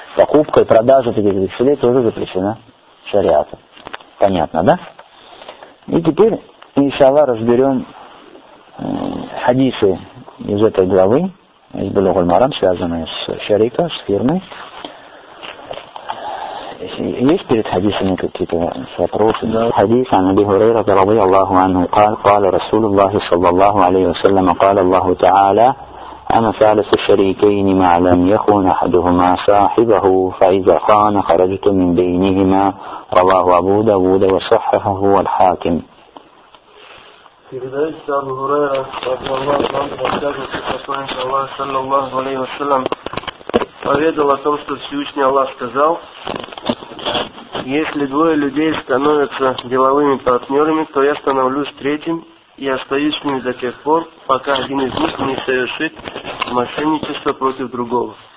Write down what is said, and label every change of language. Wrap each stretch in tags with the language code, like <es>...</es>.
<ru>Покупка и продажа таких векселей тоже запрещена шариатом. Понятно, да? И теперь, иншаллах, разберем хадисы из этой главы, из Булугуль Марам, связанные с шарика, с фирмой. Есть перед хадисами какие-то вопросы? Да.</ru> <ar>Хадис ан Аби Хурайра радия Аллаху анху каля Расулу Аллахи саллаллаху алейхи ва саллям каля Аллаху тааля أما ثالث الشريكين ما لم يخون أحدهما صاحبه فإذا خان خرجت من بينهما رواه أبو داود وصححه الحاكم.</ar> <ru>Передается Абу Хурайра رضي الله عنه рассказывает, что посланник Аллаха صلى الله عليه وسلم поведал о том, что Всевышний Аллах сказал: если двое людей становятся деловыми партнерами, то я становлюсь третьим и остаюсь с ними до тех пор, пока один из них не совершит мошенничество против другого.</ru>